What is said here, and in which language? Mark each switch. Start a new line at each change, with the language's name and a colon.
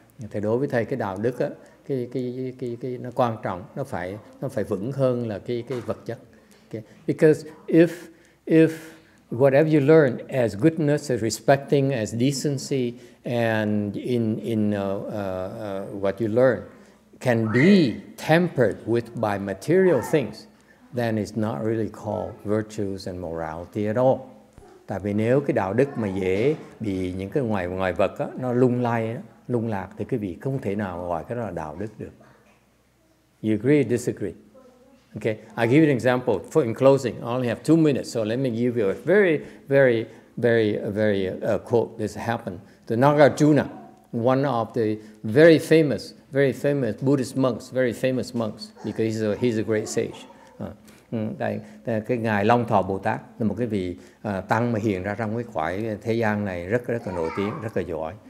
Vietnamese: Thì đối với thầy cái đạo đức á, cái nó quan trọng, nó phải vững hơn là cái vật chất. Okay.
English: Because if whatever you learn as goodness, as respecting, as decency, and in what you learn can be tempered with by material things, then it's not really called virtues and morality at all.
Vietnamese: Tại vì nếu cái đạo đức mà dễ bị những cái ngoài vật á, nó lung lay, lung lạc, thì quý vị không thể nào gọi cái đó là đạo đức được.
English: You agree or disagree? Okay, I'll give you an example. For in closing, I only have 2 minutes, so let me give you a very, very, very, very quote that's happened. The Nagarjuna, one of the very famous Buddhist monks, very famous monks, because he's a great sage.
Vietnamese: Đây, cái ngài Long Thọ Bồ Tát là một cái vị tăng mà hiện ra trong cái khoải thế gian này rất rất là nổi tiếng, rất là giỏi.